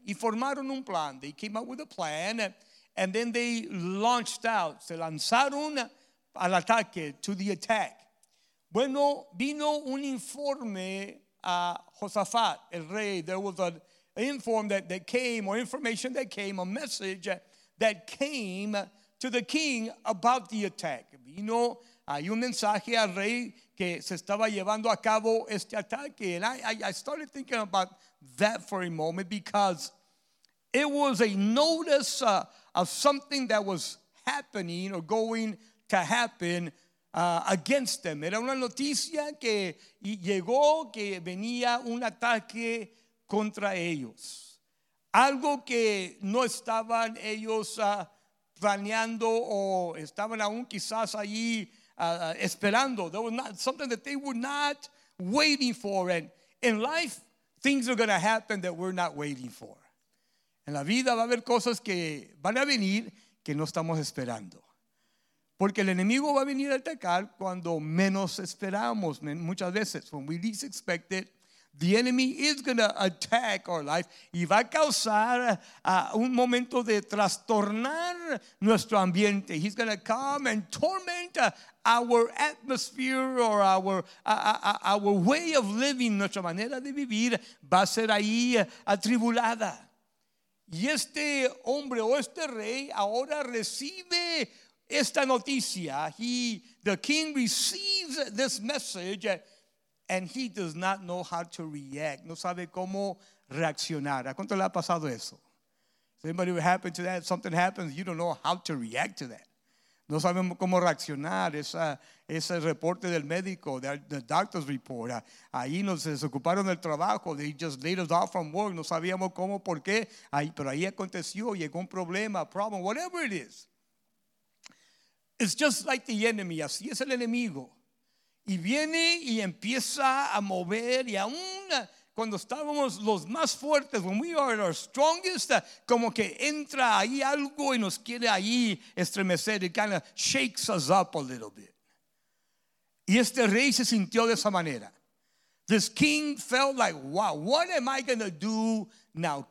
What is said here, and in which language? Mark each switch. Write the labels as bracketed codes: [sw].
[es] Y formaron un plan. [en] They came up with a plan and then they launched out. [es] Se lanzaron al ataque, [en] to the attack. [es] Bueno, vino un informe a Jehoshaphat, el rey. [en] There was an inform a message that came to the king about the attack. [es] Vino, hay un mensaje al rey que se estaba llevando a cabo este ataque. [en] And I started thinking about that for a moment because it was a notice of something that was happening or going to happen against them. [es] Era una noticia que llegó que venía un ataque contra ellos. Algo que no estaban ellos planeando o estaban aún quizás allí esperando. [en] There was not something that they were not waiting for. And in life, things are going to happen that we're not waiting for. [es] En la vida va a haber cosas que van a venir que no estamos esperando. Porque el enemigo va a venir a atacar cuando menos esperamos. Muchas veces, [en] when we least expect it, The enemy is going to attack our life [es] y va a causar un momento de trastornar nuestro ambiente. [en] He's going to come and torment our atmosphere or our way of living. [es] Nuestra manera de vivir va a ser ahí atribulada. Y este hombre o este rey ahora recibe esta noticia. [en] The king receives this message and he does not know how to react. [es] No sabe cómo reaccionar. ¿A cuánto le ha pasado eso? [en] Anybody who happened to that? Something happens, you don't know how to react to that. [es] No sabemos cómo reaccionar. Ese reporte del médico, [en] the doctor's report. [es] Ahí nos desocuparon del trabajo. [en] They just laid us off from work. [es] No sabíamos cómo, por qué. Pero ahí aconteció. Llegó un problema, problem, whatever it is. [en] It's just like the enemy. [es] Así es el enemigo. Y viene y empieza a mover. Y aún cuando estábamos los más fuertes, [en] when we are our strongest, [es] como que entra ahí algo y nos quiere ahí estremecer. [en] It kind of shakes us up a little bit. [es] Y este rey se sintió de esa manera. [en] This king felt like, wow, what am I going to do now?